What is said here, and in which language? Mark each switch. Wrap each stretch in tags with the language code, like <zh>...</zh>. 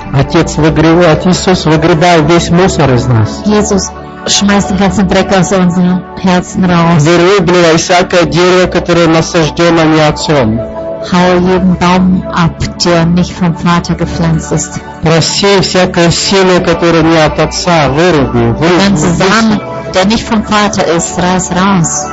<ru>Отец, Иисус, выгребай весь мусор из нас.</ru> <de>Jesus, schmeiß den ganzen Dreck aus unseren Herzen raus.</de> <ru>Вырубливай всякое дерево, которое насаждено не отцом.</ru> <de>Hau jeden Baum ab, der nicht vom Vater gepflanzt ist.</de> <ru>Проси всякое семя, которое не от отца, выруби.</ru> <de>Der ganze Samen, der nicht vom Vater ist, reiß raus.</de>